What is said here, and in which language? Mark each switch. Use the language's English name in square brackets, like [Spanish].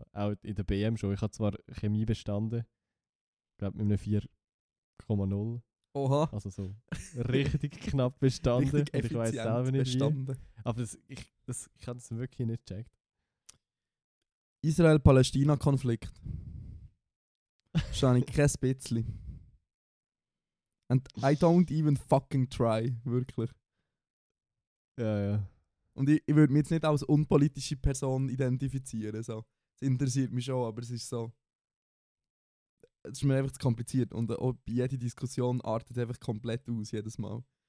[German] Auch in der BM schon. Ich habe zwar Chemie bestanden, ich glaube mit einem 4,0. Oha. Also so richtig knapp bestanden. Richtig effizient ich weiß selber nicht bestanden. Wie. Aber ich habe es wirklich nicht gecheckt. Israel-Palästina-Konflikt. Wahrscheinlich kein bisschen. [English] And I don't even fucking try, [German] wirklich. Ja, ja. Und ich würde mich jetzt nicht als unpolitische Person identifizieren. So. Das interessiert mich schon, aber es ist so. Es ist mir einfach zu kompliziert. Und auch jede Diskussion artet einfach komplett aus, jedes Mal.